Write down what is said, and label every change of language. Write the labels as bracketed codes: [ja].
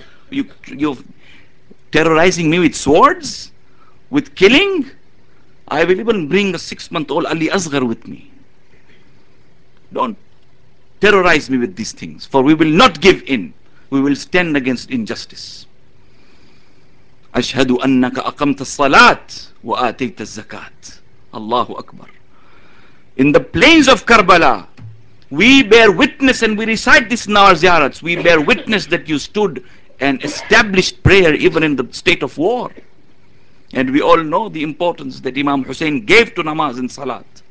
[en] You're terrorizing me with swords? With killing? I will even bring a six-month-old Ali Asghar with me. Don't terrorize me with these things, for we will not give in. We will stand against injustice. [ar] أشهد أنك أقمت الصلاة وآتيت الزكاة. الله أكبر. [en] In the plains of Karbala, we bear witness and we recite this in our ziyarats. We bear witness that you stood and established prayer even in the state of war. And we all know the importance that Imam Hussein gave to namaz and salat.